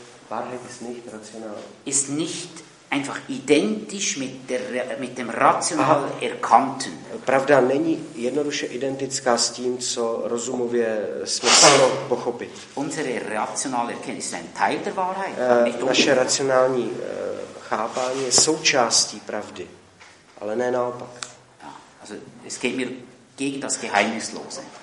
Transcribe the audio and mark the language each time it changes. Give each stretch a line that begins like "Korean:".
German: Wahrheit ist nicht rational. Ist nicht einfach identisch mit dem rational erkannten.
Czech: Pravda není jednoduše identická s tím, co rozumově jsme schopni pochopit.
German: Unsere rational erkennen ist ein Teil der Wahrheit.
Czech: Naše racionální chápání je součástí pravdy, ale ne naopak.
German: Ja, also es geht mir gegen das Geheimnislose.